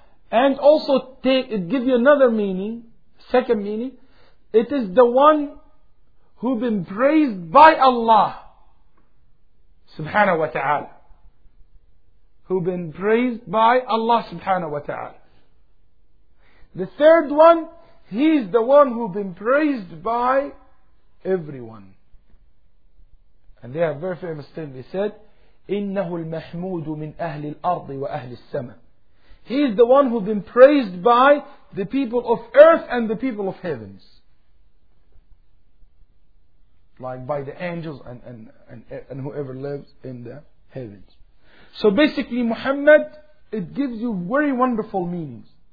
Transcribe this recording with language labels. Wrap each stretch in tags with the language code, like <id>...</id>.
<en>And also, it gives you another meaning, second meaning, it is the one who been praised by Allah subhanahu wa ta'ala. Who been praised by Allah subhanahu wa ta'ala. The third one, he's the one who been praised by everyone. And they have very famous thing, they said,</en> <ar>إنه المحمود من أهل الأرض وأهل السماء.</ar> <en>He is the one who's been praised by the people of earth and the people of heavens. Like by the angels and whoever lives in the heavens. So basically Muhammad, it gives you very wonderful meanings.</en>